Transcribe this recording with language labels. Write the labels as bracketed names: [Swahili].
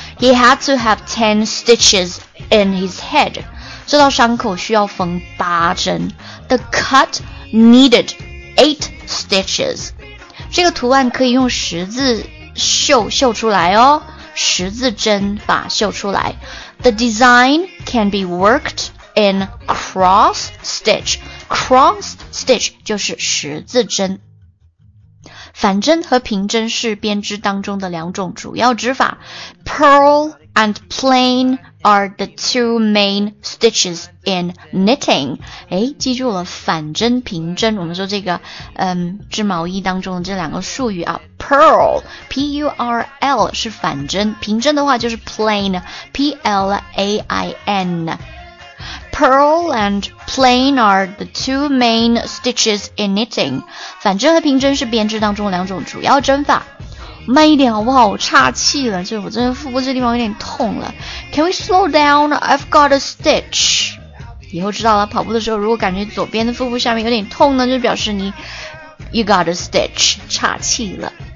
[English] He had to have 10 stitches in his head. [Chinese] 这道伤口需要缝八针。 [English] The cut needed 8 stitches. [Chinese] 这个图案可以用十字绣出来哦，十字针法绣出来。 [English] The design can be worked in cross stitch. [Chinese] Cross stitch 就是十字针。反针和平针是编织当中的两种主要织法。 [English] Purl and plain are the two main stitches in knitting. [Chinese] 记住了反针平针，我们说这个织毛衣当中的这两个术语啊。 Purl, P-U-R-L 是反针，平针的话就是 plain, P-L-A-I-N. [English] Purl and plain are the two main stitches in knitting. [Chinese] 反针和平针是编织当中两种主要针法。慢一点好不好，我岔气了，就是我真的腹部这地方有点痛了。 [English] Can we slow down? I've got a stitch. [Chinese] 以后知道了，跑步的时候如果感觉左边的腹部下面有点痛呢，就表示你 [English] You got a stitch, [Chinese] 岔气了。